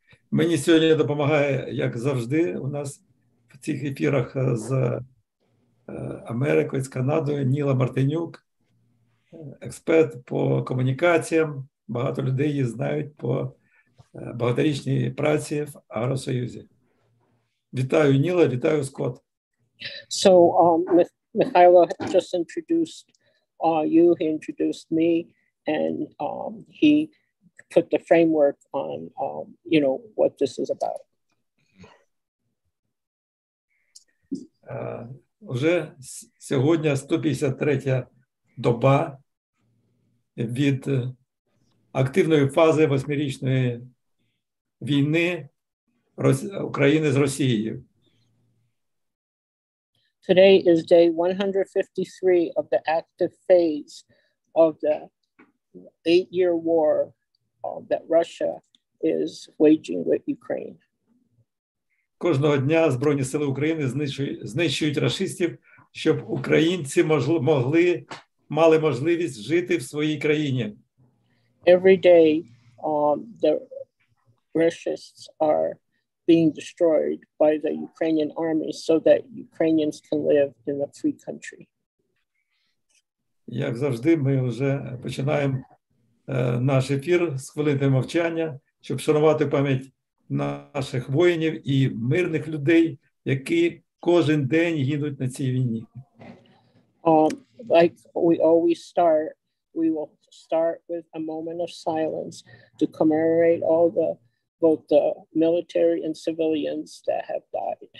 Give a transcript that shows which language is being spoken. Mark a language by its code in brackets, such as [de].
[uk] Мені сьогодні допомагає, як завжди, у нас в цих ефірах з Америкою, з Канадою, Ніла Мартинюк, експерт по комунікаціям. Багато людей її знають по багаторічній праці в Агросоюзі. Вітаю, Ніла, вітаю, Скотт. [en] So, Михайло just introduced you, he introduced me, and he put the framework on, you know, what this is about. [uk] Уже сьогодні 153-я доба від активної фази восьмирічної війни України з Росією. [en] Today is day 153 of the active phase of the 8-year war that Russia is waging with Ukraine. [uk] Кожного дня Збройні сили України знищують рашистів, щоб українці мали можливість жити в своїй країні. [en] Every day the racists are being destroyed by the Ukrainian army so that Ukrainians can live in a free country. [uk] Як завжди, ми вже починаємо наш ефір з хвилини мовчання, щоб вшанувати пам'ять наших воїнів і мирних людей, які кожен день гинуть на цій війні. [en] Like we always start, we will start with a moment of silence to commemorate all the both the military and civilians that have died.